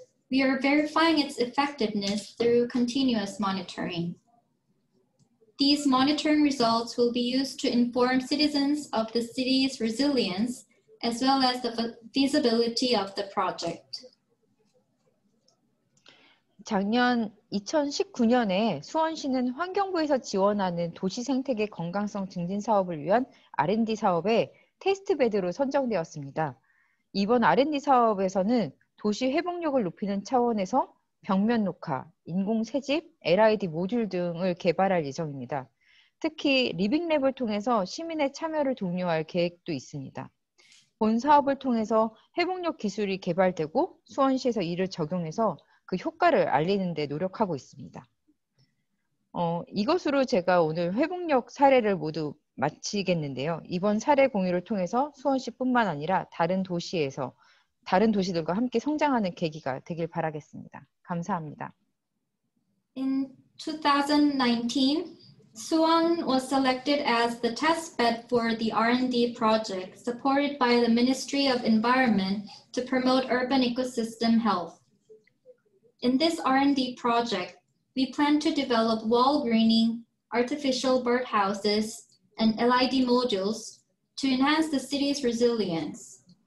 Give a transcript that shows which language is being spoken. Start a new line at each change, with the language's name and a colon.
English: We are verifying its effectiveness through continuous monitoring. These monitoring results will be used to inform citizens of the city's resilience as well as the feasibility of the project.
Korean: 작년 2019년에 수원시는 환경부에서 지원하는 도시 생태계 건강성 증진 사업을 위한 R&D 사업에 테스트베드로 선정되었습니다. 이번 R&D 사업에서는 도시 회복력을 높이는 차원에서 벽면 녹화, 인공 채집, LID 모듈 등을 개발할 예정입니다. 특히 리빙랩을 통해서 시민의 참여를 독려할 계획도 있습니다. 본 사업을 통해서 회복력 기술이 개발되고 수원시에서 이를 적용해서 그 효과를 알리는 데 노력하고 있습니다. 이것으로 제가 오늘 회복력 사례를 모두 마치겠는데요. 이번 사례 공유를 통해서 수원시뿐만 아니라 다른 도시에서 다른 도시들과 함께 성장하는 계기가 되길 바라겠습니다. 감사합니다.
English: In 2019, Suwon was selected as the testbed for the R&D project supported by the Ministry of Environment to promote urban ecosystem health. In this R&D project, we plan to develop wall greening, artificial birdhouses, and LID modules to enhance the city's resilience.